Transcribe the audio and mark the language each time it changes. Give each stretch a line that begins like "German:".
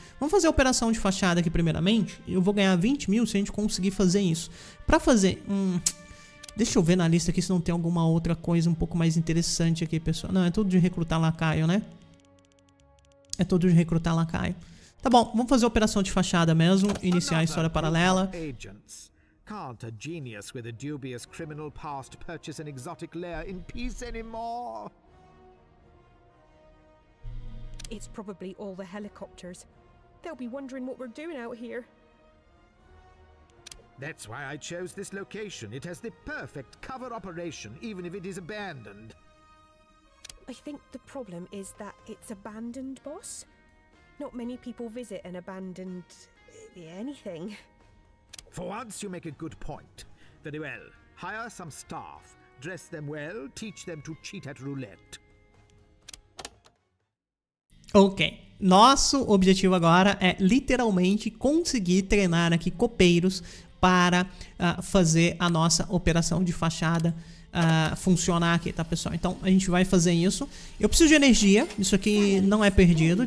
Portuguese: Vamos fazer a operação de fachada aqui primeiramente. Eu vou ganhar 20 mil se a gente conseguir fazer isso. Pra fazer... deixa eu ver na lista aqui se não tem alguma outra coisa um pouco mais interessante aqui, pessoal. Não, é tudo de recrutar lacaio, né? É tudo de recrutar lacaio. Tá bom, vamos fazer a operação de fachada mesmo, iniciar a história paralela.
English: Can't a genius with a dubious criminal past purchase an exotic lair in peace anymore? It's probably all the helicopters. They'll be wondering what we're doing out here. That's why I chose this location. It has the perfect cover operation, even if it is abandoned. I think the problem is that it's abandoned, boss. Not many people visit an abandoned... anything. For once you make a good point. Very well. Hire some staff. Dress them well. Teach them to cheat at roulette.
Portuguese: Ok. Nosso objetivo agora é literalmente conseguir treinar aqui copeiros para fazer a nossa operação de fachada funcionar aqui, tá, pessoal? Então a gente vai fazer isso. Eu preciso de energia. Isso aqui não é perdido.